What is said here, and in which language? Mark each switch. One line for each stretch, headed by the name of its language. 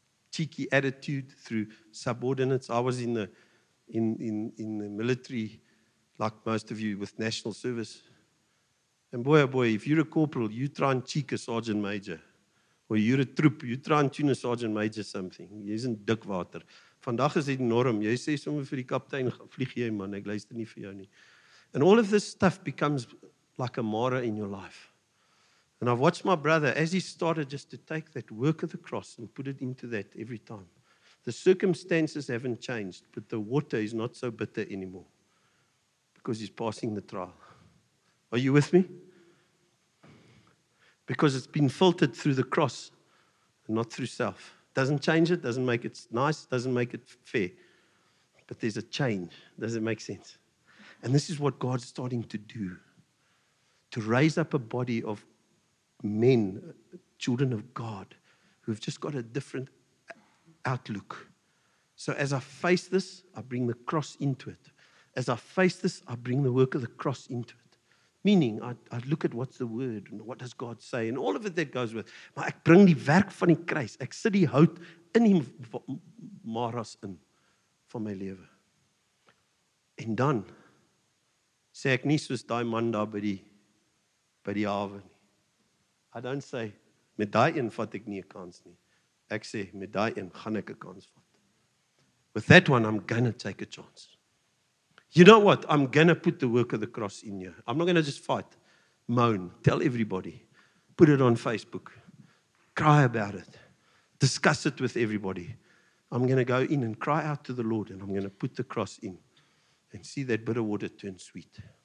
English: Cheeky attitude through subordinates. I was in the military, like most of you, with national service. And boy, oh boy, if you're a corporal, you try and cheek a sergeant major. Or you're a troop, you try and tune a sergeant major something.
Afrikaans: Jy is in dikwater. Vandag is dit enorm. Jy sê sommer vir die kaptein, vlieg jy man, ek luister nie vir jou nie.
English: And all of this stuff becomes like a mara in your life. And I've watched my brother as he started just to take that work of the cross and put it into that every time. The circumstances haven't changed, but the water is not so bitter anymore because he's passing the trial. Are you with me? Because it's been filtered through the cross and not through self. Doesn't change it, doesn't make it nice, doesn't make it fair. But there's a change. Does it make sense? And this is what God's starting to do. To raise up a body of men, children of God, who've just got a different outlook. So as I face this, I bring the cross into it. As I face this, I bring the work of the cross into it. Meaning, I look at what's the word, and what does God say, and all of it that goes with.
Afrikaans: Maar ek bring die werk van die kruis, ek sit die hout in die maras in, van my leven. En dan, sê ek nie soos die man daar by die hawe nie.
English: I don't say,
Afrikaans: met die een vat ek nie 'n kans nie. Ek sê, met die een gaan ek 'n kans vat.
English: With that one, I'm gonna take a chance. You know what? I'm gonna put the work of the cross in you. I'm not gonna just fight, moan, tell everybody. Put it on Facebook. Cry about it. Discuss it with everybody. I'm gonna go in and cry out to the Lord and I'm gonna put the cross in and see that bitter water turn sweet.